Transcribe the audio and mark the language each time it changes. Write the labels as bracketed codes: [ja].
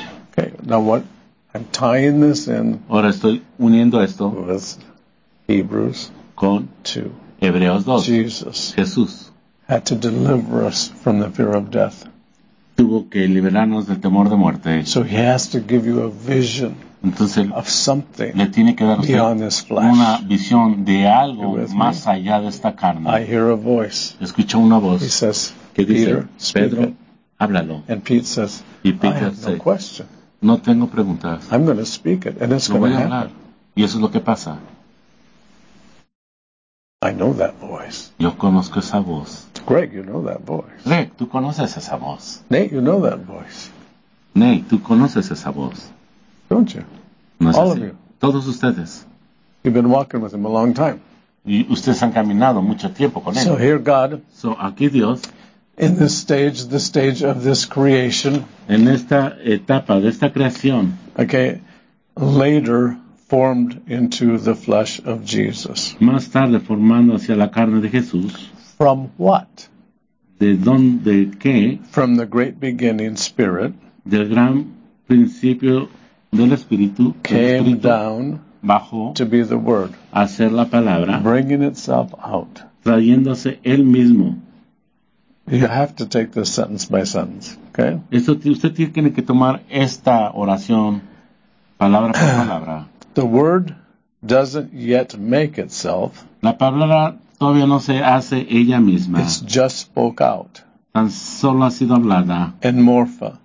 [en] Okay. Now what? I'm tying this in. [es] Ahora estoy uniendo esto. [en] With Hebrews. [es] Con. [en] Two. [es] Hebreos 2. [en] Jesus. [es] Jesús. [en] Had to deliver us from the fear of death. [es] Tuvo que liberarnos del temor de muerte. [en] So he has to give you a vision. [es] Entonces, [en] of something [es] le tiene que dar una visión de algo más [en] me? [es] Allá de esta carne. [en] I hear a voice. [es] Escucho una voz [en] He says, [es] que dice, [en] Peter, [es] Pedro, [en] speak [es] háblalo. [en] And Pete says, [es] y Peter [en] I have no question. [es] No tengo preguntas. [en] I'm going to speak it, and it's going to happen. [es] Hablar. Y eso es lo que pasa. [en] I know that voice. [es] Yo conozco esa voz. [en] Greg, you know that voice. [es] Greg, tú conoces esa voz. [en] Nate, you know that voice. [es] Nate, tú conoces esa voz. [en] Don't you? [es] No [en] All [es] así. [en] Of you. [es] Todos ustedes. [en] You've been walking with him a long time. [es] Y ustedes han caminado mucho tiempo con él. [en] So here God. [es] So aquí Dios. [en] In this stage, the stage of this creation. [es] En esta etapa de esta creación. [en] Okay. Later formed into the flesh of Jesus. [es] Más tarde formando hacia la carne de Jesús. [en] From what? [es] De dónde qué? [en] From the great beginning spirit. [es] Del gran principio. Del Espíritu, [en] came [es] Espíritu [en] down [es] bajó [en] to be the Word, [es] a ser la palabra, [en] bringing itself out. [es] Trayéndose él mismo. [en] You have to take this sentence by sentence, okay? [es] Esto, usted tiene que tomar esta oración palabra por palabra. [en] The Word doesn't yet make itself. [es] La palabra todavía no se hace ella misma. [en] It's just spoke out. [es] Tan solo ha sido hablada. En morfa.